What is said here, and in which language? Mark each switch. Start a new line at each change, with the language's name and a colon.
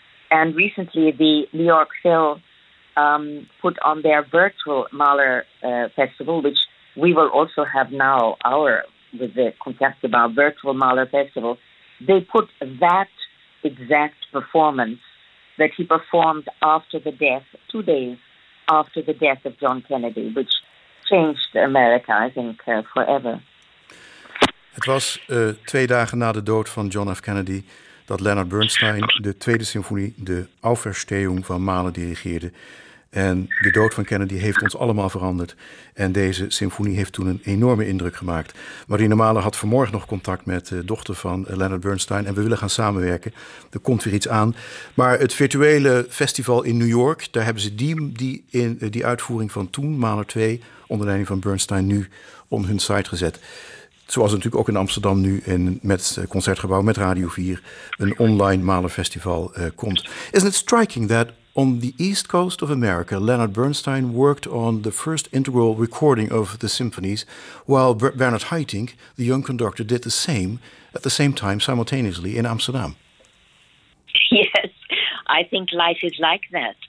English: And recently the New York Phil put on their virtual Mahler festival, which we will also have now our, with the Concertgebouw virtual Mahler festival, they put that exact performance that he performed after the death, 2 days after the death of John Kennedy, which changed America, I think, forever.
Dutch: Het was 2 dagen na de dood van John F. Kennedy dat Leonard Bernstein de tweede symfonie, de Auferstehung van Mahler, dirigeerde. En de dood van Kennedy heeft ons allemaal veranderd. En deze symfonie heeft toen een enorme indruk gemaakt. Marina Mahler had vanmorgen nog contact met de dochter van Leonard Bernstein. En we willen gaan samenwerken. Er komt weer iets aan. Maar het virtuele festival in New York, daar hebben ze die uitvoering van toen, Mahler 2, onder leiding van Bernstein, nu op hun site gezet. Zoals natuurlijk ook in Amsterdam nu in met Concertgebouw, met Radio 4, een online Mahler festival komt.
English: Isn't it striking that On the East Coast of America, Leonard Bernstein worked on the first integral recording of the symphonies, while Bernard Haitink, the young conductor, did the same at the same time simultaneously in Amsterdam. Yes, I think life is like that.